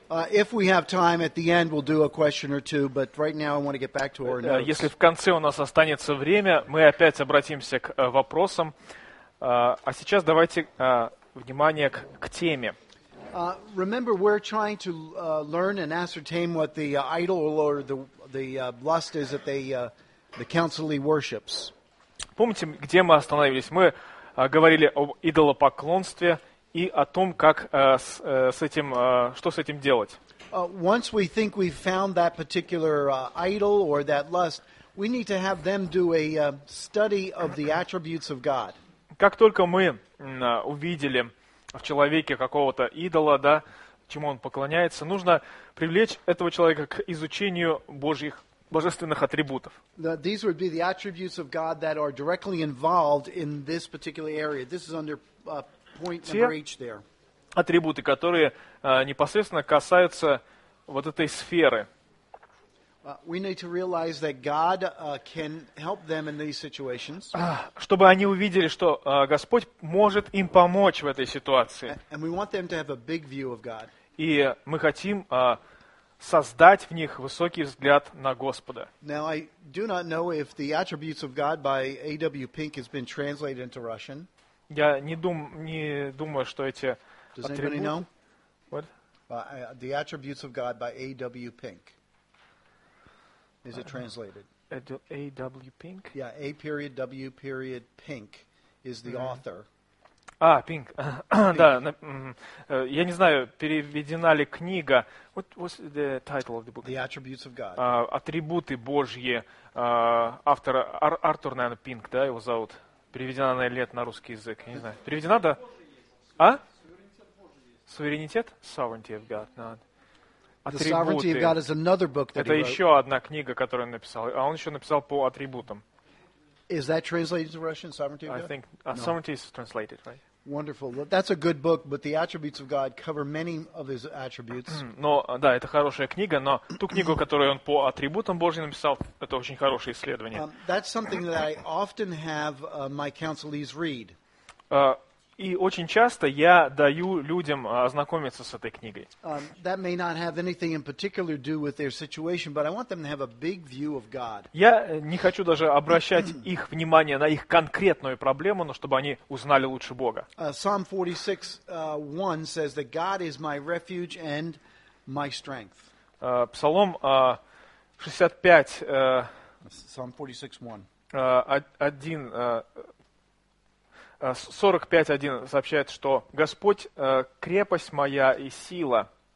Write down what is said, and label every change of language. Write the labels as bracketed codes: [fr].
[en] If we have time at the end, we'll do a question or two, but right now I want to get back to our notes. [ru] Если в конце у нас останется время, мы опять обратимся к вопросам. А сейчас давайте внимание к теме. [en] Remember, we're trying to learn and ascertain what the idol or the lust is that the counselee worships. [ru] Помните, где мы остановились? Мы говорили об идолопоклонстве и о том, как с этим, что с этим делать. [en] Once we think we've found that particular idol or that lust, we need to have them do a study of the attributes of God. [ru] Как только мы увидели в человеке какого-то идола, да, чему он поклоняется, нужно привлечь этого человека к изучению Божьих, божественных атрибутов. [en] These would be the attributes of God that are directly involved in this particular area. This is under point number H there. [ru] Атрибуты, которые непосредственно касаются вот этой сферы. [en] We need to realize that God can help them in these situations. [ru] Чтобы они увидели, что Господь может им помочь в этой ситуации. [en] And we want them to have a big view of God. [ru] И мы хотим создать в них высокий взгляд на Господа. [en] Now I do not know if the attributes of God by A.W. Pink has been translated into Russian. [ru] Я не думаю, что эти [en] Does anybody know? What? The attributes of God by A.W. Pink. Is it translated? A.W. Pink? Yeah, A period W period Pink is the author. [ru] А, Pink. Да, я не знаю, переведена ли книга. [en] What was the title of the book? The Attributes of God. [ru] Атрибуты Божьи. Автор Артур, наверное, Pink, да, его зовут. Переведена ли это на русский язык? Я не знаю. Переведена, да? А? Суверенитет? [en] Sovereignty of God. No. The Sovereignty of God is another book that [ru] Это еще одна книга, которую он написал. А он еще написал по атрибутам. [en] Is that translated to Russian, Sovereignty of God? I think Sovereignty is translated, right? Wonderful. That's a good book, but the attributes of God cover many of his attributes. [ru] Но, да, это хорошая книга, но ту книгу, которую он по атрибутам Божьим написал, это очень хорошее исследование. [en] That's something that I often have my counselees read. [ru] И очень часто я даю людям ознакомиться с этой книгой. [en] That may not have anything in particular to do with their situation, but I want them to have a big view of God. [ru] Я не хочу даже обращать их внимание на их конкретную проблему, но чтобы они узнали лучше Бога. [en] Psalm 46:1 says that God is my refuge and my strength. [ru] Псалом 45:1 сообщает, что Господь крепость моя и сила.